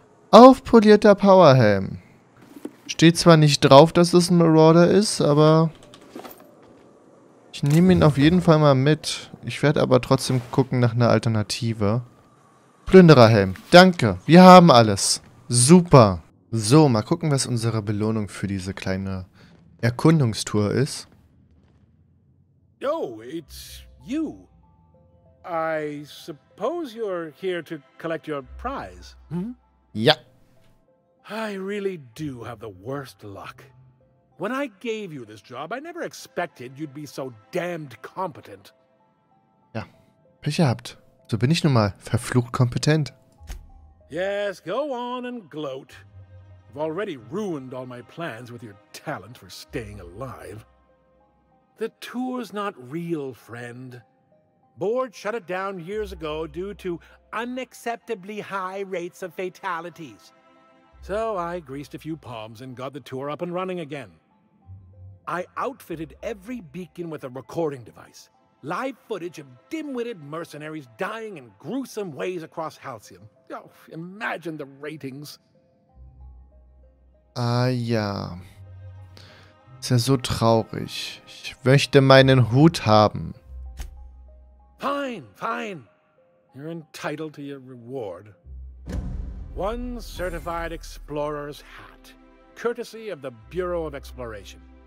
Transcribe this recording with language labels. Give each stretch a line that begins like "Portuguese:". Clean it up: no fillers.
German: Aufpolierter Powerhelm. Steht zwar nicht drauf, dass es ein Marauder ist, aber ich nehme ihn auf jeden Fall mal mit. Ich werde aber trotzdem gucken nach einer Alternative. Plündererhelm, danke. Wir haben alles. Super. So, mal gucken, was unsere Belohnung für diese kleine Erkundungstour ist.
English: Yo, it's you. I suppose you're here to collect your prize.
German: Ja.
English: I really do have the worst luck. When I gave you this job, I never expected you'd be so damned competent.
German: Ja, Pech gehabt. So bin ich nun mal verflucht kompetent.
English: Yes, go on and gloat. You've already ruined all my plans with your talent for staying alive. The tour's not real, friend. Board shut it down years ago due to unacceptably high rates of fatalities. So I greased a few palms and got the tour up and running again. I outfitted every beacon with a recording device. Live footage of dim-witted mercenaries dying in gruesome ways across Halcyon. Oh, imagine the ratings.
German: Ja. Ist ja so traurig. Ich möchte meinen Hut haben.
English: Fine, fine. You're entitled to your reward. One certified explorer's hat, courtesy of the Bureau of Exploration.